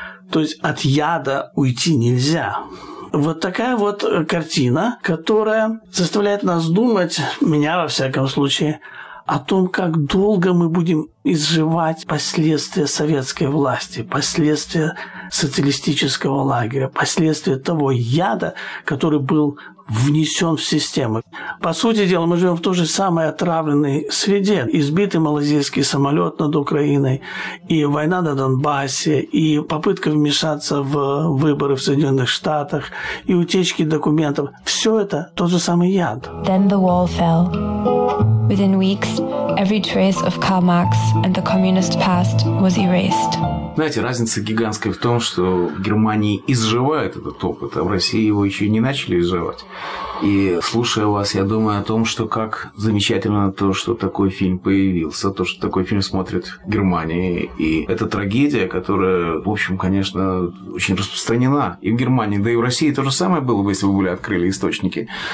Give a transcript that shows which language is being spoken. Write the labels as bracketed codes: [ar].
[ru] То есть от яда уйти нельзя. Вот такая вот картина, которая заставляет нас думать, меня во всяком случае, о том, как долго мы будем изживать последствия советской власти, последствия социалистического лагеря, последствия того яда, который был внесен в систему. По сути дела, мы живем в той же самой отравленной среде. Избитый малазийский самолет над Украиной, и война на Донбассе, и попытка вмешаться в выборы в Соединенных Штатах, и утечки документов. Все это тот же самый яд. [en] Then the wall fell. Within weeks, every trace of Karl Marx and the communist past was erased. [ru] Знаете, разница гигантская в том, что в Германии изживают этот опыт, а в России его еще не начали изживать. И слушая вас, я думаю о том, что как замечательно то, что такой фильм появился, то, что такой фильм смотрят в Германии. И это трагедия, которая, в общем, конечно, очень распространена и в Германии, да и в России то же самое было бы, если бы были открыли источники.